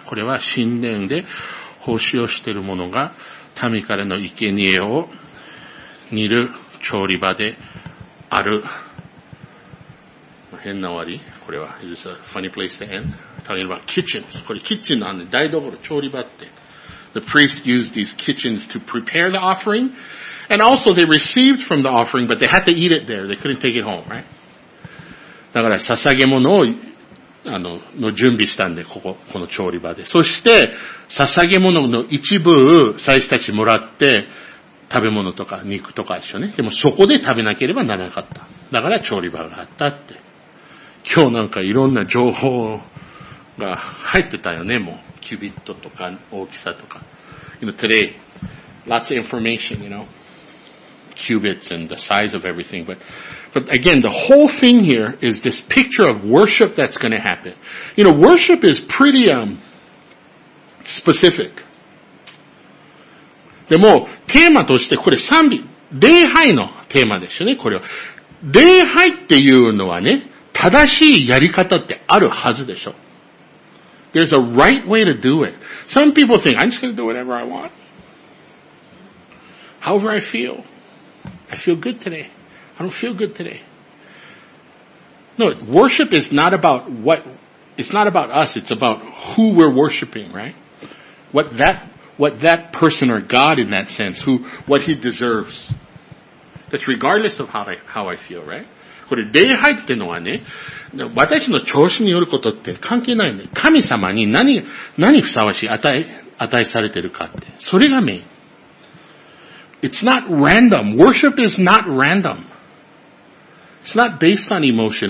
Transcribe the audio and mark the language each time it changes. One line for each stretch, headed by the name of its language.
Japanese: これは神殿で奉仕をしている者が民からの生贄を煮る調理場である。変な終わり。これは。
English: Is this a funny place to end? Talking about kitchens.
Japanese: これキッチンなんで、台所、調理場って。
English: The priests used these kitchens to prepare the offering, and also they received from the offering, but they had to eat it there. They couldn't take it home, right?
Japanese: だから捧げ物をの準備したんで、この調理場で。そして捧げ物の一部を祭司たちもらって食べ物とか肉とかでしょうね。でもそこで食べなければならなかった。だから調理場があったって。今日なんかいろんな情報が入ってたよね、もう。キュビットとか大きさとか。
English: You know, today, lots of information, you know. Cubits and the size of everything. But again, the whole thing here is this picture of worship that's going to happen. You know, worship is pretty, specific.
Japanese: でも、テーマとしてこれ賛美、礼拝のテーマですよね、これは。礼拝っていうのはね、正しいやり方ってあるはずでしょ。
English: There's a right way to do it. Some people think, I'm just going to do whatever I want. However I feel. I feel good today. I don't feel good today. No, worship is not about it's not about us. It's about who we're worshiping, right? What that person or God in that sense, what he deserves. That's regardless of how I feel, right?
Japanese: これ礼拝ってのはね、私の調子によることって関係ないんで、神様に何ふさわしい与えされてるかって、それがメイン。
English: It's not random. Worship is not random. It's not based on emotion.